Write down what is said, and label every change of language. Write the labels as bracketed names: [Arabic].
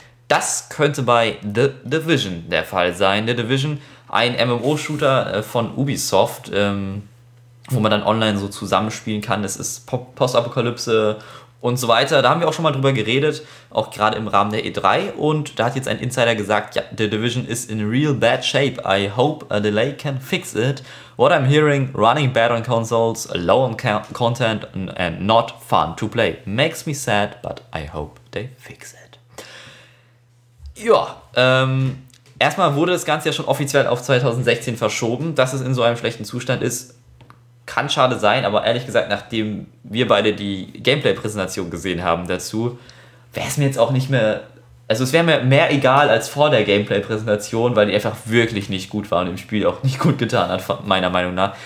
[German] Das könnte bei The Division der Fall sein. The Division, ein MMO-Shooter von Ubisoft, wo man dann online so zusammenspielen kann. Das ist Postapokalypse und so weiter. Da haben wir auch schon mal drüber geredet, auch gerade im Rahmen der E3. Und da hat jetzt ein Insider gesagt, ja, [English] The Division is in real bad shape. I hope a delay can fix it. What I'm hearing, running bad on consoles, low on content and not fun to play. Makes me sad, but I hope they fix it. [German] Ja, erstmal wurde das Ganze ja schon offiziell auf 2016 verschoben. Dass es in so einem schlechten Zustand ist, kann schade sein. Aber ehrlich gesagt, nachdem wir beide die Gameplay-Präsentation gesehen haben dazu, wäre es mir jetzt auch nicht mehr... Also es wäre mir mehr egal als vor der Gameplay-Präsentation, weil die einfach wirklich nicht gut war und im Spiel auch nicht gut getan hat, meiner Meinung nach.